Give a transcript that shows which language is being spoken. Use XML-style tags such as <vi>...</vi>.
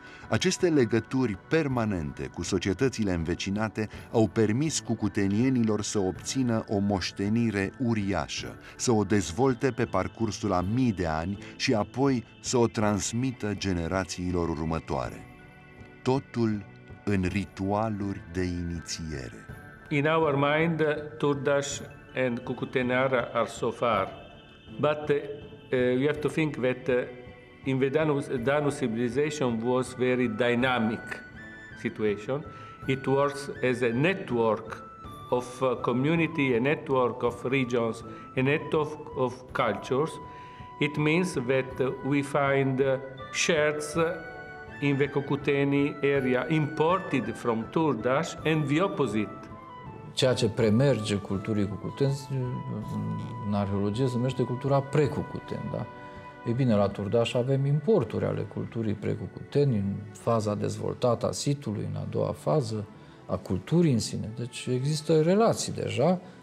<ro>Aceste legături permanente cu societățile învecinate au permis cucutenienilor să obțină o moștenire uriașă, să o dezvolte pe parcursul a mii de ani și apoi să o transmită generațiilor următoare. Totul în ritualuri de inițiere.</ro> <en>In our mind, Turdaș and Cucuteneara are so far, but you have to think that in the Danu civilization was very dynamic situation. It works as a network of community, a network of regions, a network of cultures. It means that we find shares in the Cucuteni area imported from Turdaș and the opposite.</en> <ro>Ceea ce premerge culturii cucuteni în arheologie se numește cultura pre-cucuteni, da? Ei bine, la Turdaș avem importuri ale culturii precucuteni în faza dezvoltată a situlului, în a doua fază, a culturii în sine. Deci există relații deja.</ro>